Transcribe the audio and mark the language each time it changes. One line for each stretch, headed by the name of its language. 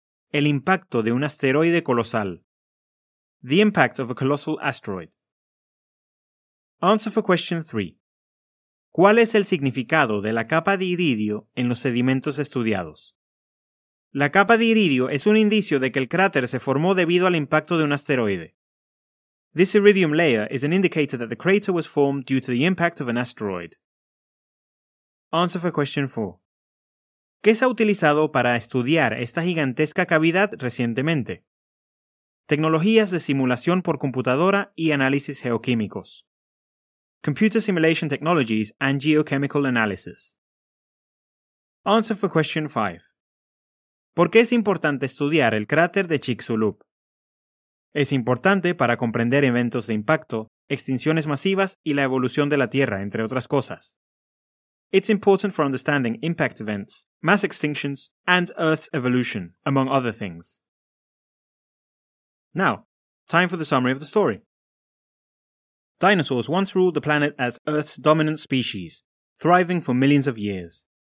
Spanish: El impacto de un asteroide colosal.
English: The impact of a colossal asteroid. Answer for question 3.
Spanish: ¿Cuál es el significado de la capa de iridio en los sedimentos estudiados? La capa de iridio es un indicio de que el cráter se formó debido al impacto de un asteroide.
English: This iridium layer is an indicator that the crater was formed due to the impact of an asteroid. Answer for question 4.
Spanish: ¿Qué se ha utilizado para estudiar esta gigantesca cavidad recientemente? Tecnologías de simulación por computadora y análisis geoquímicos.
English: Computer simulation technologies and geochemical analysis. Answer for question 5.
Spanish: ¿Por qué es importante estudiar el cráter de Chicxulub? Es importante para comprender eventos de impacto, extinciones masivas y la evolución de la Tierra, entre otras cosas.
English: It's important for understanding impact events, mass extinctions, and Earth's evolution, among other things. Now, time for the summary of the story. Dinosaurs once ruled the planet as Earth's dominant species, thriving for millions of years.